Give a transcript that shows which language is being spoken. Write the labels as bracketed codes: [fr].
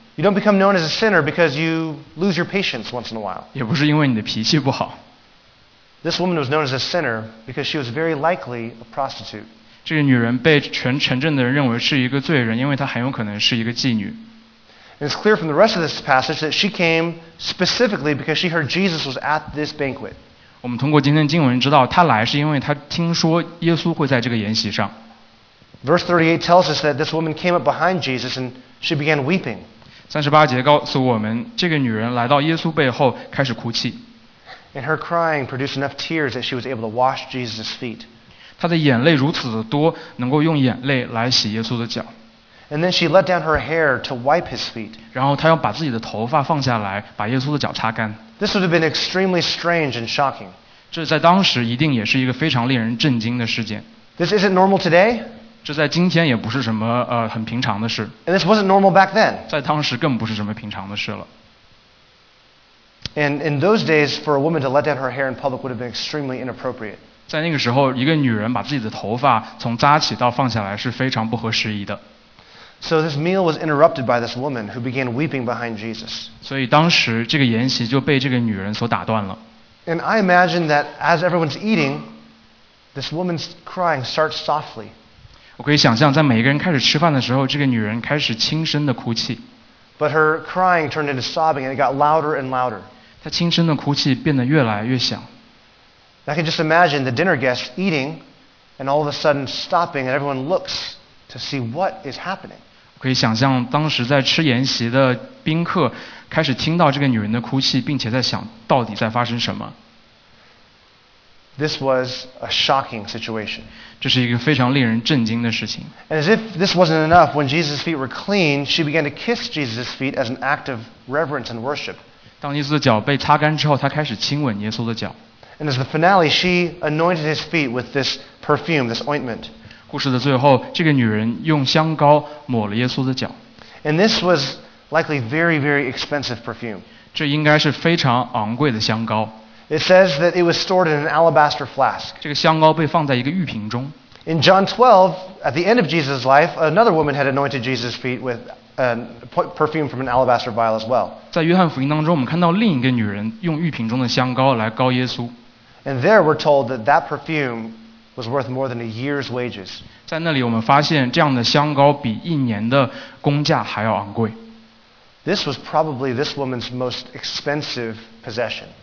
[en] You don't become known as a sinner because you lose your patience once in a while. [zh] 也不是因为你的脾气不好。 [en] This woman was known as a sinner because she was very likely a prostitute. [zh] 这个女人被全城镇的人认为是一个罪人，因为她很有可能是一个妓女。 [en] And it's clear from the rest of this passage that she came specifically because she heard Jesus was at this banquet. [zh] 我们通过今天的经文知道，他来是因为他听说耶稣会在这个筵席上。 [en] Verse 38 tells us that this woman came up behind Jesus and she began weeping. [zh] 38节告诉我们，这个女人来到耶稣背后开始哭泣。 [en] And her crying produced enough tears that she was able to wash Jesus' feet. [zh] 她的眼泪如此的多，能够用眼泪来洗耶稣的脚。 [en] And then she let down her hair to wipe his feet. [zh] 然后她要把自己的头发放下来，把耶稣的脚擦干。 [en] This would have been extremely strange and shocking. [zh] 这在当时一定也是一个非常令人震惊的事件。 [en] This isn't normal today. [zh] 这在今天也不是什么很平常的事。 [en] And this wasn't normal back then. [zh] 在当时更不是什么平常的事了。 [en] And in those days, for a woman to let down her hair in public would have been extremely inappropriate. [zh] 在那个时候，一个女人把自己的头发从扎起到放下来是非常不合时宜的。 [en] So this meal was interrupted by this woman who began weeping behind Jesus. [zh] 所以当时这个筵席就被这个女人所打断了。 [en] And I imagine that as everyone's eating, this woman's crying starts softly. [zh] 我可以想象，在每一个人开始吃饭的时候，这个女人开始轻声的哭泣。 [en] But her crying turned into sobbing, and it got louder and louder. [zh] 她轻声的哭泣变得越来越响。 [en] I can just imagine the dinner guests eating, and all of a sudden stopping, and everyone looks to see what is happening. [zh] 我可以想象当时在吃筵席的宾客开始听到这个女人的哭泣，并且在想到底在发生什么。 [en] This was a shocking situation. [zh] 这是一个非常令人震惊的事情。 [en] And as if this wasn't enough, when Jesus' feet were clean, she began to kiss Jesus' feet as an act of reverence and worship. [zh] 当耶稣的脚被擦干之后，她开始亲吻耶稣的脚。 [en] And as the finale, she anointed his feet with this perfume, this ointment. [zh] 故事的最后，这个女人用香膏抹了耶稣的脚。 [en] And this was likely very, very expensive perfume. [zh] 这应该是非常昂贵的香膏。 [en] It says that it was stored in an alabaster flask. [zh] 这个香膏被放在一个玉瓶中。 [en] In John 12, at the end of Jesus' life, another woman had anointed Jesus' feet with perfume from an alabaster vial as well. [zh] 在约翰福音当中，我们看到另一个女人用玉瓶中的香膏来膏耶稣。 [en] And there we're told that that perfume was worth more than a year's wages. [zh] 在那里我们发现这样的香膏比一年的工价还要昂贵。 [en] This was probably this woman's most expensive possession.